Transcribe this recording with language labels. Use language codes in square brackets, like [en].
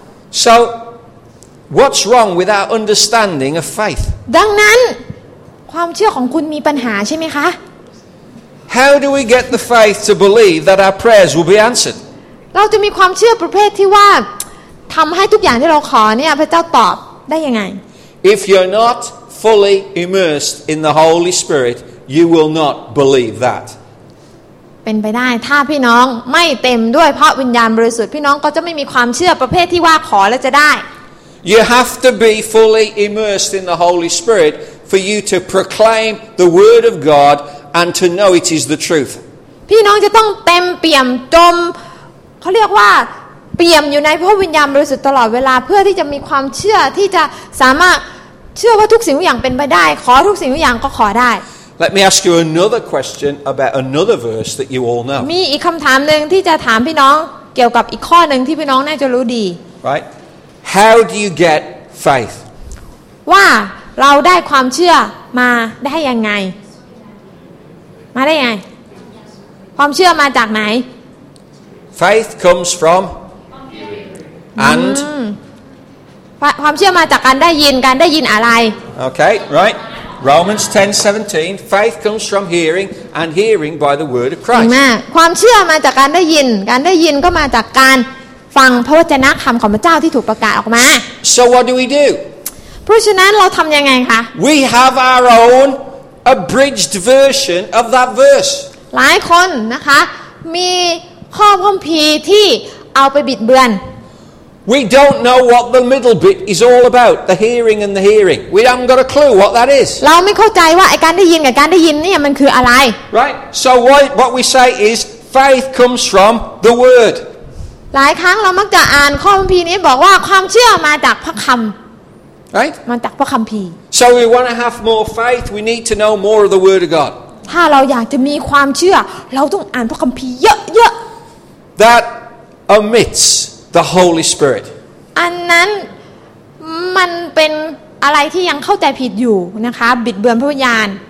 [en] So, what's wrong with our understanding of faith? [th] ดังนั้นความเชื่อของคุณมีปัญหาใช่ไหมคะ [en] How do we get the faith to believe that our prayers will be answered? [th] เราจะมีความเชื่อประเภทที่ว่าทำให้ทุกอย่างที่เราขอเนี่ยพระเจ้าตอบได้ยังไง [en] If you're notfully immersed in the Holy Spirit you will not believe that [th] เป็นไปได้ถ้าพี่น้องไม่เต็มด้วยพระวิญญาณบริสุทธิ์พี่น้องก็จะไม่มีความเชื่อประเภทที่ว่าขอแล้วจะได้ [en] You have to be fully immersed in the Holy Spirit for you to proclaim the word of God and to know it is the truth [th] พี่น้องจะต้องเต็มเปี่ยมจมเขาเรียกว่าเปี่ยมอยู่ในพระวิญญาณบริสุทธิ์ตลอดเวลาเพื่อที่จะมีความเชื่อที่จะสามารถเชื่อว่าทุกสิ่งทุกอย่างเป็นไปได้ขอทุกสิ่งทุกอย่างก็ขอได้ [en] Let me ask you another question about another verse that you all know [th] มีอีกคำถามนึงที่จะถามพี่น้องเกี่ยวกับอีกข้อนึงที่พี่น้องน่าจะรู้ดี [en] Right How do you get faith [th] ว่าเราได้ความเชื่อมาได้ยังไงมาได้ยังไงความเชื่อมาจากไหน [en] Faith comes from and [th] ความเชื่อมาจากการได้ยินการได้ยินอะไร [en] โอเค right Romans 10:17 faith comes from hearing and hearing by the word of Christ [th] ถูกไหมความเชื่อมาจากการได้ยินการได้ยินก็มาจากการฟังพระวจนะคำของพระเจ้าที่ถูกประกาศออกมา [en] so what do we do [th] เพราะฉะนั้นเราทำยังไงคะ [en] we have our own abridged version of that verse [th] หลายคนนะคะมีข้อพิมพ์ีที่เอาไปบิดเบือน [en] We don't know what the middle bit is all about, the hearing and the hearing. We haven't got a clue what that is. [th] เราไม่เข้าใจว่าไอ้การได้ยินกับการได้ยินเนี่ยมันคืออะไร [en] Right. So what we say is faith comes from the word. [th] หลายครั้งเรามักจะอ่านข้อพิมพ์ีนี้บอกว่าความเชื่อมาจากพระคำ [en] Right. [th] มาจากพระคำพี [en] So we want to have more faith. We need to know more of the word of God. [th] ถ้าเราอยากจะมีความเชื่อเราต้องอ่านพระคำพีเยอะ [en] ๆ That omits. The Holy Spirit. [th] อันนั้นมันเป็นอะไรที่ยังเข้าใจผิดอยู่นะคะบิดเบือนพระวิญญาณ